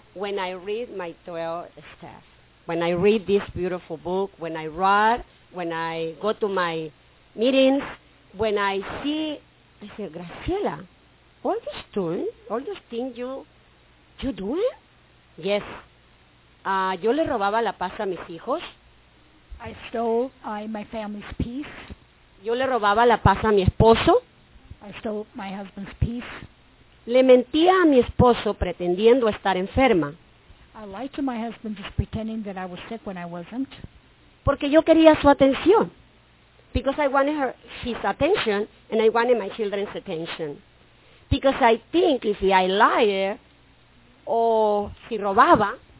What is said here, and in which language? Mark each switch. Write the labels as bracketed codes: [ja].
[en] When I read my 12 steps, when I read this beautiful book, when I write, when I go to my meetings, when I see, I say, Graciela, all these tools, all these things you do? Yes. [es] Yo le robaba la paz a mis hijos. [en] I stole my family's peace. [es] Yo le robaba la paz a mi esposo. [en] I stole my husband's peace. [es] Le mentía a mi esposo pretendiendo estar enferma. [en] I lied to my husband just pretending that I was sick when I wasn't. [es] Porque yo quería su atención. [en] Because I wanted his attention and I wanted my children's attention. Because I think if I lied or [es] si robaba,